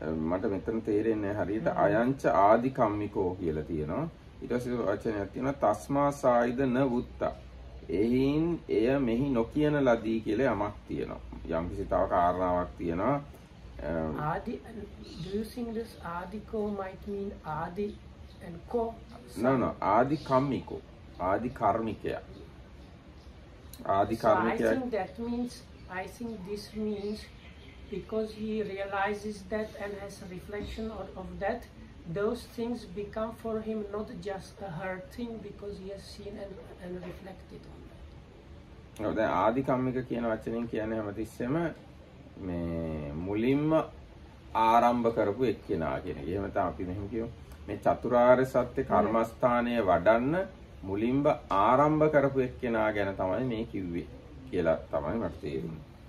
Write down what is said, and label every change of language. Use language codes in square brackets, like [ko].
[si] මට මෙතන තේරෙන්නේ හරියට අයංච ආදි කම්මිකෝ කියලා තියෙනවා. ඊට පස්සේ වචනයක් තියෙනවා [pi] තස්මා සායිද න වුත්ත. [si] එහින් එය මෙහි නොකියන ලදී කියලා යමක් තියෙනවා. යම් කිසි තව කාරණාවක් තියෙනවා. [en] ආදි, do you think this ආදිකෝ might mean ආදි and කෝ? [si] No, ආදි කම්මිකෝ. ආදි කර්මිකයා. [en] So I think that means, I think this means, because he realizes that and has a reflection of that, those things become for him not just a hurting because he has seen and reflected on that. [si] දැන් ආදි කම්මික කියන වචනෙන් කියන්නේ හැමතිස්සෙම මේ මුලින්ම ආරම්භ කරපු එක්කෙනා කියන එක. එහෙම තමයි අපි මෙහෙම කියමු. මේ චතුරාර්ය සත්‍ය කර්මස්ථානයේ වඩන්න මුලින්ම ආරම්භ කරපු එක්කෙනා ගැන තමයි මේ කිව්වේ කියලා තමයි මට තේරෙන්නේ.